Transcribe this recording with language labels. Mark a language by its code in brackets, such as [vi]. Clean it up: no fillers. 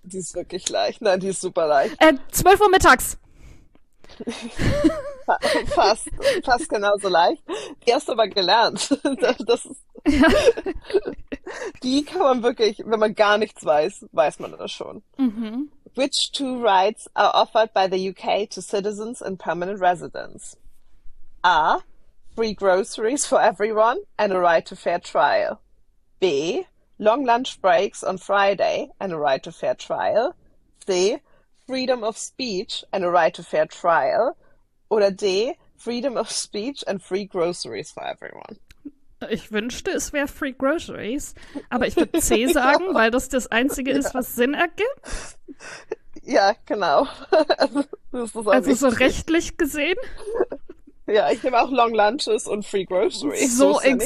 [de] Die ist wirklich leicht. Nein, die ist super leicht. 12 Uhr mittags. Fast, fast genauso leicht. Die hast du aber gelernt. Die kann man wirklich, wenn man gar nichts weiß, weiß man das schon. [en] Which two rights are offered by the UK to citizens and permanent residents? A. Free groceries for everyone and a right to fair trial. B. Long lunch breaks on Friday and a right to fair trial. C. Freedom of speech and a right to fair trial. Oder D. Freedom of speech and free groceries for everyone. [de] Ich wünschte, es wäre Free Groceries, Ja. aber ich würde C sagen, weil das das Einzige ist, was Sinn ergibt. Ja, genau. Also, das ist auch Also so richtig. rechtlich gesehen. Ja, ich nehme auch Long Lunches und Free Groceries, so So ist ja nicht.